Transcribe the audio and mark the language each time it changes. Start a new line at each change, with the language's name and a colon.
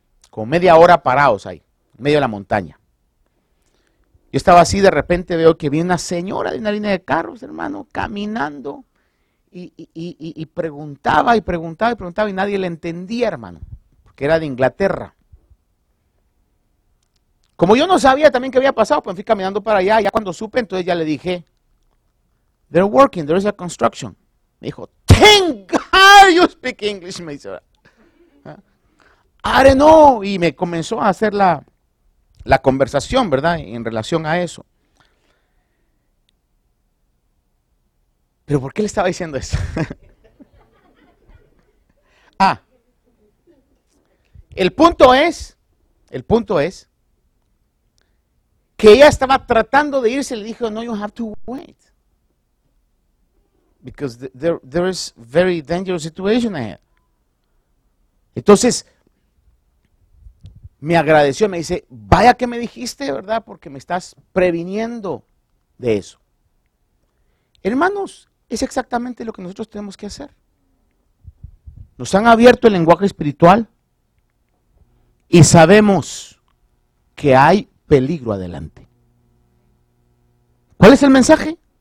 Spanish: Como media hora parados ahí, en medio de la montaña. Yo estaba así, de repente veo que viene una señora de una línea de carros, hermano, caminando. Y preguntaba y preguntaba y preguntaba y nadie le entendía, hermano, porque era de Inglaterra. Como yo no sabía también qué había pasado, pues fui caminando para allá. Ya cuando supe, entonces ya le dije,
English: they're working, there is a construction.
Spanish: Me dijo,
English: thank God you speak English,
Spanish: me dice.
English: I don't know.
Spanish: Y me comenzó a hacer la conversación, ¿verdad?, en relación a eso. ¿Pero por qué le estaba diciendo eso? Ah. El punto es que ella estaba tratando de irse, le dijo, no,
English: you have to wait. Because there is very dangerous situation ahead.
Spanish: Entonces, me agradeció, me dice, vaya que me dijiste, ¿verdad? Porque me estás previniendo de eso. Hermanos, es exactamente lo que nosotros tenemos que hacer. Nos han abierto el lenguaje espiritual y sabemos que hay peligro adelante. ¿Cuál es el mensaje?